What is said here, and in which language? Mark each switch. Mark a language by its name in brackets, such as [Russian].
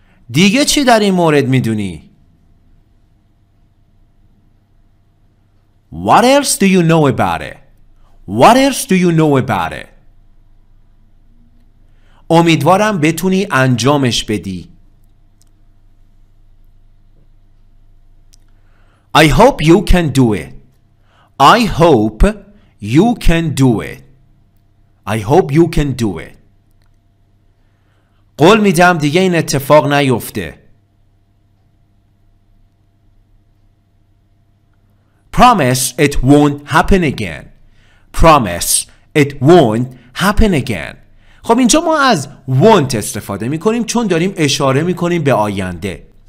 [Persian] دیگه چی در این مورد میدونی؟ [English] What else do you know about it? What else do you know about it? [Persian] امیدوارم بتونی انجامش بدی. [English] I hope you can do it. I hope you can do it. I hope you can do it. [Persian] قول میدم دیگه این اتفاق نیفته. [English] Promise it won't happen again. Promise it won't happen again. [Persian] خب اینجا ما از won't استفاده میکنیم چون داریم اشاره میکنیم به آینده.